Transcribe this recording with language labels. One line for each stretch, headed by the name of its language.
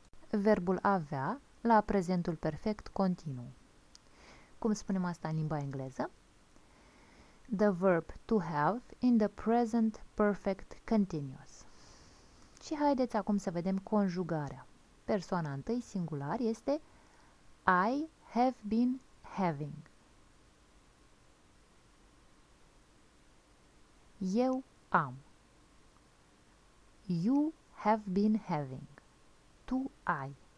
Romanian: Verbul avea la prezentul perfect continuu. Cum spunem asta în limba engleză?
English: the verb to have in the present perfect continuous.
Romanian: Și haideți acum să vedem conjugarea. Persoana întâi singular este
English: I have been having.
Romanian: Eu am.
English: You have been having.
Romanian: Tu ai.